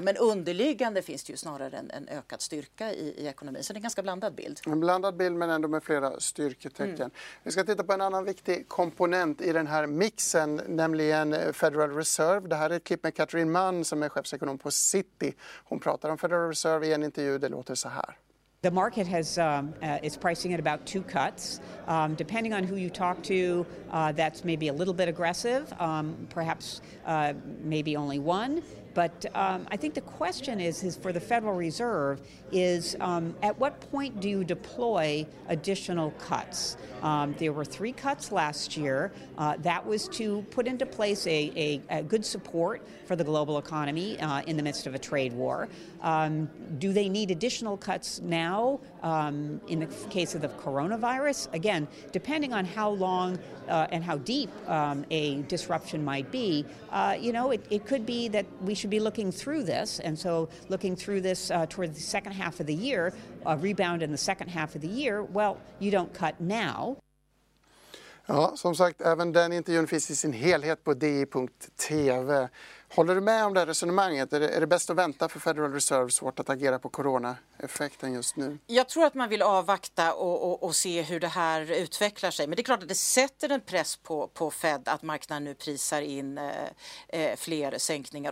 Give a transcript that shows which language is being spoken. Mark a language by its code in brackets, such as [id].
[sv] Men underliggande finns det ju snarare en ökad styrka i ekonomin. Så det är en ganska blandad bild. En blandad bild men ändå med flera styrketecken. Mm. Vi ska titta på en annan viktig komponent i den här mixen, nämligen Federal Reserve. Det här är ett klipp med Catherine Mann som är chefsekonom på Citi. Hon pratar om Federal Reserve i en intervju. Det låter så här. [en] The market has is pricing at about two cuts. Depending on who you talk to, that's maybe a little bit aggressive, perhaps maybe only one. But I think the question is for the Federal Reserve, is at what point do you deploy additional cuts? There were three cuts last year. That was to put into place a good support for the global economy in the midst of a trade war. Do they need additional cuts now in the case of the coronavirus? Again, depending on how long and how deep a disruption might be, it could be that we should be looking through this, and so looking through this toward the second half of the year, a rebound in the second half of the year, well, you don't cut now. [sv] Ja, som sagt, även den intervjun finns i sin helhet på di.tv. Håller du med om det här resonemanget? Är det bäst att vänta för Federal Reserve svårt att agera på corona-effekten just nu? Jag tror att man vill avvakta och se hur det här utvecklar sig. Men det är klart att det sätter en press på Fed att marknaden nu prisar in fler sänkningar.